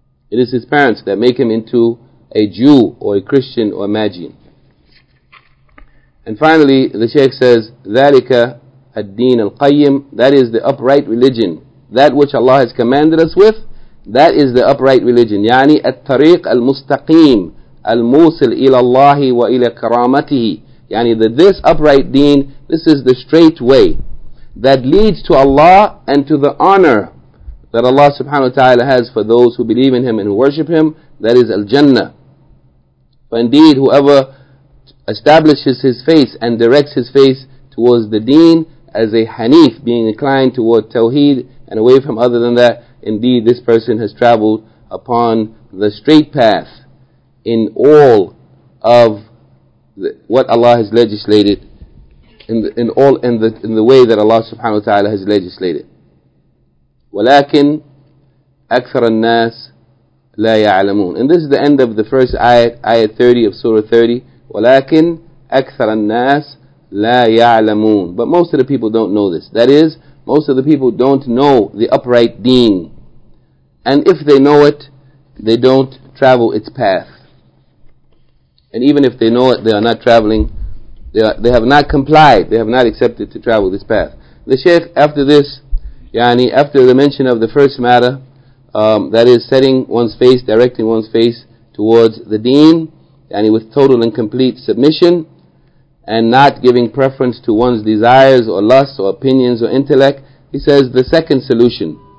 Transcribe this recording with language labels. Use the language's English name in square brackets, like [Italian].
[English] It is his parents that make him into a Jew or a Christian or a Magian. And finally, the Shaykh says, [Arabic] ذَلِكَ الدِّينَ الْقَيِّمُ. [English] That is the upright religion. That which Allah has commanded us with, that is the upright religion. [Arabic] يعني الطريق المستقيم الموصل إلى الله وإلى كرامته. [English] يعني that this upright deen, this is the straight way that leads to Allah and to the honor that Allah subhanahu wa ta'ala has for those who believe in Him and who worship Him, that is Al-Jannah. For indeed, whoever establishes his face and directs his face towards the deen as a hanif, being inclined toward tawheed and away from other than that, indeed this person has traveled upon the straight path in all of what Allah has legislated, in the way that Allah subhanahu wa ta'ala has legislated. [Arabic] ولكن أكثر الناس لا يعلمون. [English] And this is the end of the first ayah 30 of Surah 30. [Arabic] ولكن أكثر الناس لا يعلمون. [English] But most of the people don't know this. That is, most of the people don't know the upright deen. And if they know it, they don't travel its path. And even if they know it, they are not traveling. They have not complied. They have not accepted to travel this path. The Shaykh, after this, yani after the mention of the first matter, that is setting one's face, directing one's face towards the deen, yani with total and complete submission, and not giving preference to one's desires or lusts or opinions or intellect, he says the second solution,